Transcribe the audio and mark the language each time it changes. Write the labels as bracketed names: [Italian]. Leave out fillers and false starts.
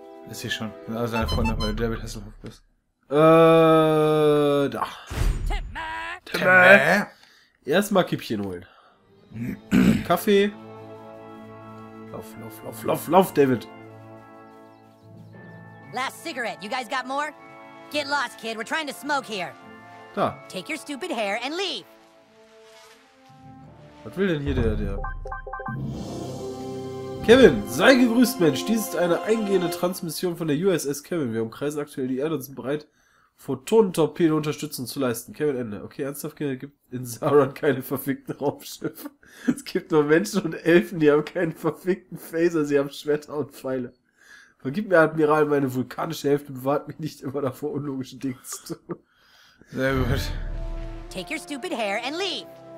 [German] Ist hier schon. Also deine Freundin, weil du David Hasselhoff bist. Da. Timmer. Erstmal Kippchen holen. Kaffee. Lauf, lauf, lauf, lauf, lauf, David. [English] Last cigarette. You guys got more? Get lost, kid. We're trying to smoke here. [German] Da. [English] Take your stupid hair and leave. [German] Was will denn hier der? Kevin, sei gegrüßt, Mensch. Dies ist eine eingehende Transmission von der USS Kevin. Wir umkreisen aktuell die Erde und sind bereit, Photonentorpedo Unterstützung zu leisten. Kevin, Ende. Okay, ernsthaft, es gibt in Sauron keine verfickten Raumschiffe. Es gibt nur Menschen und Elfen, die haben keinen verfickten Phaser. Sie haben Schwerter und Pfeile. Vergib mir, Admiral, meine vulkanische Hälfte bewahrt mich nicht immer davor, unlogische Dinge zu tun. Sehr gut. [English] Take your stupid hair and leave.